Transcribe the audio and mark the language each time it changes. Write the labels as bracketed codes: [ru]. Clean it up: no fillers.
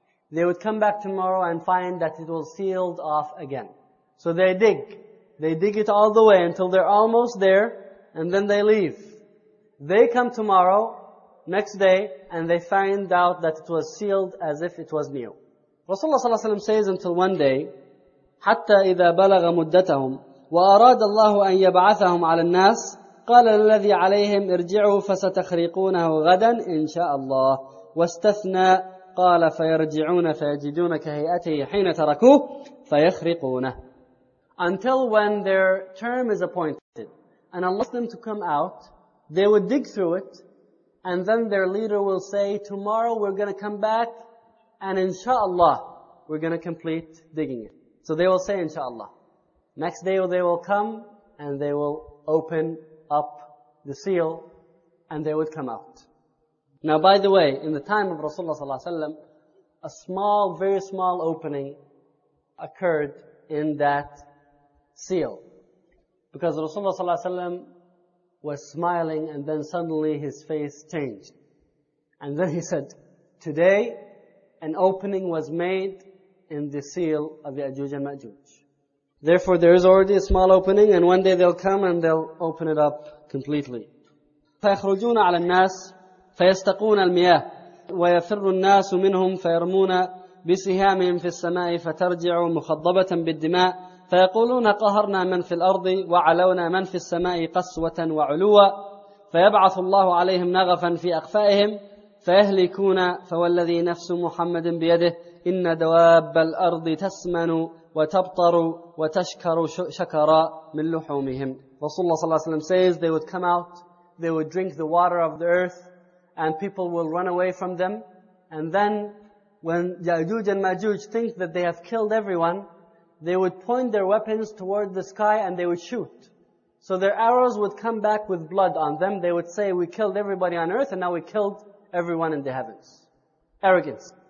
[en] They would come back tomorrow and find that it was sealed off again. So they dig. They dig it all the way until they're almost there, and then they leave. They come tomorrow, next day, and they find out that it was sealed as if it was new. Rasulullah ﷺ says, until one day, [ar] حَتَّى إِذَا بَلَغَ مُدَّتَهُمْ وَأَرَادَ اللَّهُ أَن يَبْعَثَهُمْ عَلَى النَّاسِ قَالَ الَّذِي عَلَيْهِمْ ارْجِعُوا فَسَتَخْرِقُونَهُ غَدًا إِنْ شَاءَ اللَّهُ وَاسْتَثْنَى قَالَ فَيَرْجِعُونَ فَيَجِدُونَ كَهَيْئَتِهِ حِينَ تَرَكُوهُ فَيَخْرِقُونَ. [en] until when their term is appointed. And Allah asked them to come out, they would dig through it, and then their leader will say, tomorrow we're going to come back, and inshallah, we're going to complete digging it. So they will say, inshallah. Next day they will come, and they will open up the seal, and they would come out. Now by the way, in the time of Rasulullah sallallahu alaihi wasallam, a small, very small opening occurred in that seal. Because Rasulullah sallallahu alaihi wasallam was smiling, and then suddenly his face changed. And then he said, today, an opening was made in the seal of Ya'juj and Ma'juj. Therefore, there is already a small opening, and one day they'll come and they'll open it up completely. [ar] فَيَخْرُجُونَ عَلَى النَّاسِ فَيَسْتَقُونَ الْمِيَاهِ وَيَفِرُّ النَّاسُ مِنْهُمْ فَيَرْمُونَ بِسِهَامِهِمْ فِي السَّمَاءِ فَتَرْجِعُوا مُخَضَّبَةً بِالدِّمَاءِ فيقولون قهرنا من في الأرض وعلونا من في السماء قسوة وعلوة فيبعث الله عليهم نغفا في أقفائهم فيهلكون فوالذي نفس محمد بيده إن دواب الأرض تسمن وتبطر وتشكر شكرا من لحومهم. [en] رسول الله صلى الله عليه وسلم says, they would come out, they would drink the water of the earth, and people will run away from them. And then when Ya'juj and Ma'juj think that they have killed everyone, they would point their weapons toward the sky and they would shoot. So their arrows would come back with blood on them. They would say, we killed everybody on earth and now we killed everyone in the heavens. Arrogance.